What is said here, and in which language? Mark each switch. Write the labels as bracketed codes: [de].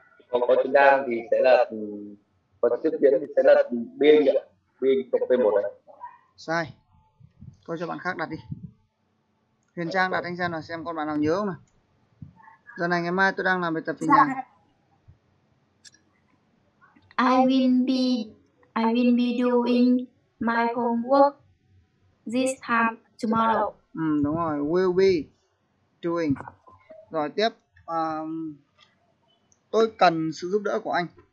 [vi] Có chứng đang thì sẽ là có tiếp diễn thì sẽ là biên nhỉ, biên cộng P1 này. Sai. Coi cho bạn khác đặt đi. Huyền Trang đặt anh xem là xem con bạn nào nhớ không nào. Giờ này ngày mai tôi đang làm bài tập về nhà. [en] I will be doing my homework this time tomorrow. [vi] Ừ đúng rồi, [en] will be doing. [vi] Rồi tiếp tôi cần sự giúp đỡ của anh.